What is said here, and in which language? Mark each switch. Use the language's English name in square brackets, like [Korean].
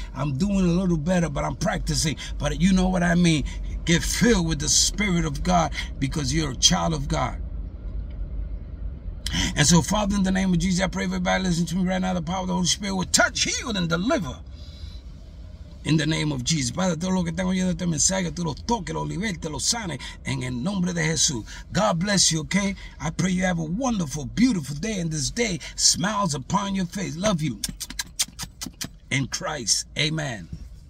[English] I'm doing a little better, but I'm practicing. But you know what I mean. Get filled with the Spirit of God because you're a child of God. And so, Father, in the name of Jesus, I pray everybody listen to me right now. The power of the Holy Spirit will touch, heal, and deliver. In the name of Jesus. [Spanish] Padre, todo lo que tengo oyendo este mensaje, tú lo toques, lo libertes, lo sanes. En el nombre de Jesús. [English] God bless you, okay? I pray you have a wonderful, beautiful day. And this day smiles upon your face. Love you. In Christ. Amen.